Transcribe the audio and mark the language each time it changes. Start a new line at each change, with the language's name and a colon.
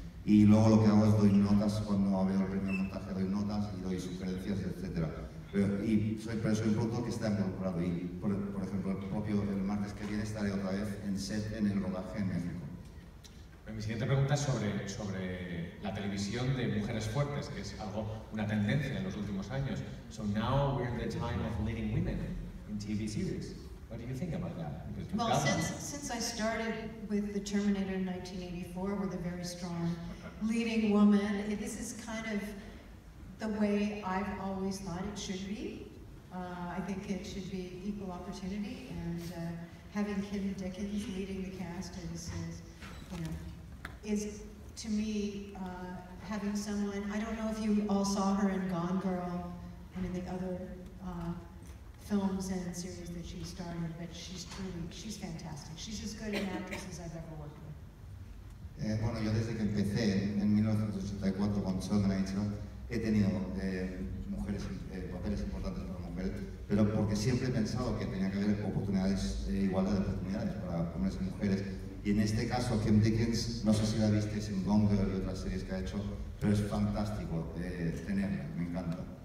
Spanish: Y luego lo que hago es doy notas, cuando veo el primer montaje doy notas y doy sugerencias, etc. Pero soy un productor que está involucrado y, por ejemplo, el martes que viene estaré otra vez en set en el rodaje en México. Mi siguiente pregunta es sobre la televisión de mujeres fuertes, que es algo, una tendencia en los últimos años.
English: So now we're in the time of leading women in TV series. What do you think about that? Well, since I started with The Terminator in 1984 with a very strong leading woman, this is kind of the way I've always thought it should be. I think it should be equal opportunity, and having Kim Dickens leading the cast is to me having someone. I don't know if you all saw her in Gone Girl and in the other films and series that she started, but she's fantastic. She's as good an actress as I've ever worked with.
Spanish: Bueno, yo desde que empecé en 1984 con Terminator, he tenido mujeres papeles importantes para mujeres, pero porque siempre he pensado que tenía que haber oportunidades, igualdad de oportunidades para hombres y mujeres. Y en este caso, Kim Dickens, no sé si la viste en Gone Girl y otras series que ha hecho, pero es fantástico tenerla, me encanta.